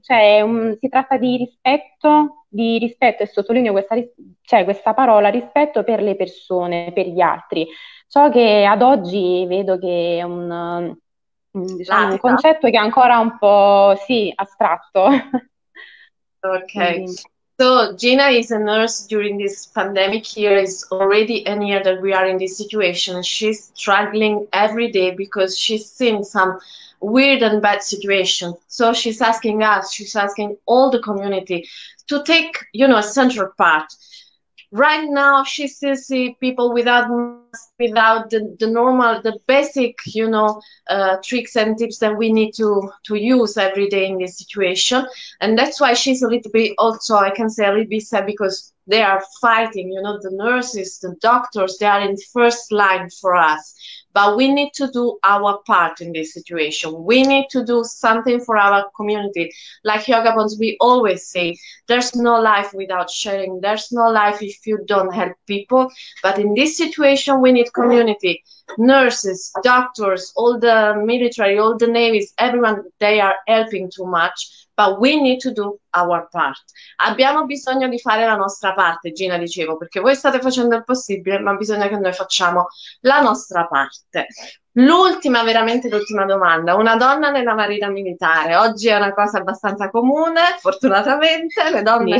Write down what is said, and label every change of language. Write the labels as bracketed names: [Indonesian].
[Italian] Cioè, si tratta di rispetto. Di rispetto, e sottolineo questa, cioè questa parola, rispetto per le persone, per gli altri. Ciò che ad oggi vedo che è diciamo, un Latita. Ok, concetto che è ancora un po', sì, astratto. Quindi. [English] so Gina is a nurse during this pandemic year. It's already a year that we are in this situation. She's struggling every day because she's seen some weird and bad situation. So she's asking us, she's asking all the community to take, a central part. Right now, she still sees people without the normal, the basic, tricks and tips that we need to use every day in this situation. And that's why she's a little bit also, I can say, a little bit sad because they are fighting, the nurses, the doctors, they are in first line for us. But we need to do our part in this situation. We need to do something for our community. Like Yoga Bones, we always say, there's no life without sharing. There's no life if you don't help people. But in this situation, we need community. Nurses, doctors, all the military, all the navies, everyone, they are helping too much. But we need to do our part. [Italian] Abbiamo bisogno di fare la nostra parte, Gina dicevo, perché voi state facendo il possibile, ma bisogna che noi facciamo la nostra parte. L'ultima, veramente l'ultima domanda. Una donna nella marina militare. Oggi è una cosa abbastanza comune, fortunatamente, le donne